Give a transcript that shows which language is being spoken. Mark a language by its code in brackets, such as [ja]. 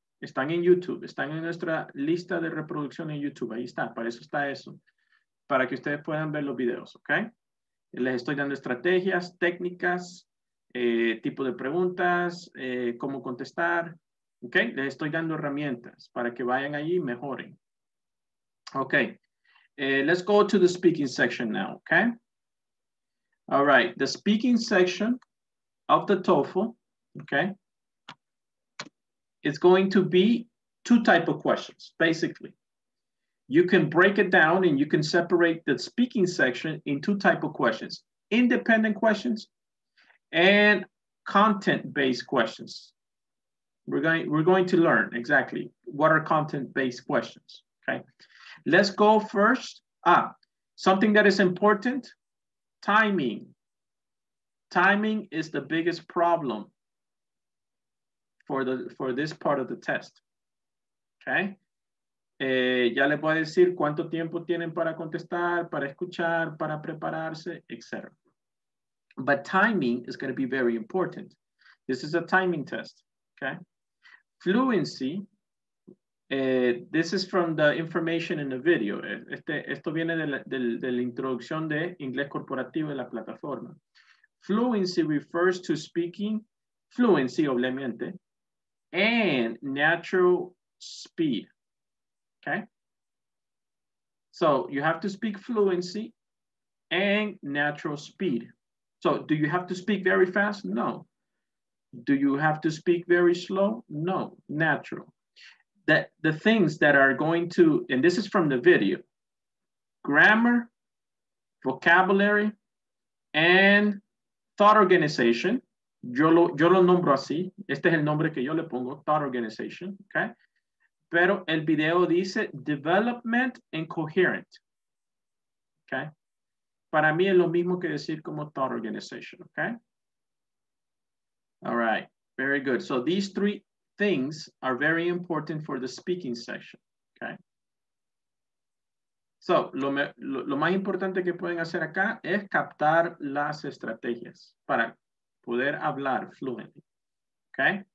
[es] Están en YouTube, están en nuestra lista de reproducción en YouTube, ahí está, para eso está eso, para que ustedes puedan ver los videos, okay? Les estoy dando estrategias, técnicas, tipo de preguntas, cómo contestar, ok, les estoy dando herramientas para que vayan allí y mejoren. [en] Ok, let's go to the speaking section now, ok. All right, the speaking section of the TOEFL, ok, it's going to be two type of questions, basically. You can break it down and you can separate the speaking section in two type of questions, independent questions and content-based questions. We're going to learn exactly what are content-based questions, okay? Let's go first. Something that is important, timing. Timing is the biggest problem for this part of the test, okay? [es] Ya les voy a decir cuánto tiempo tienen para contestar, para escuchar, para prepararse, etc. [en] But timing is going to be very important. This is a timing test, okay? Fluency, this is from the information in the video. [es] Esto viene de la introducción de Inglés Corporativo de la plataforma. [en] Fluency refers to speaking fluency, obviamente, and natural speed, okay? So you have to speak fluency and natural speed. So do you have to speak very fast? No. Do you have to speak very slow? No, natural. The things that are going to, and this is from the video, grammar, vocabulary, and thought organization. [es] Yo lo nombro así. Este es el nombre que yo le pongo, thought organization, okay? Pero el video dice [en] development and coherent, [es] okay? Para mí es lo mismo que decir como thought organization, okay? [en] All right, very good. So these three things are very important for the speaking session, okay? [es] So lo más importante que pueden hacer acá es captar las estrategias para poder hablar fluently, okay?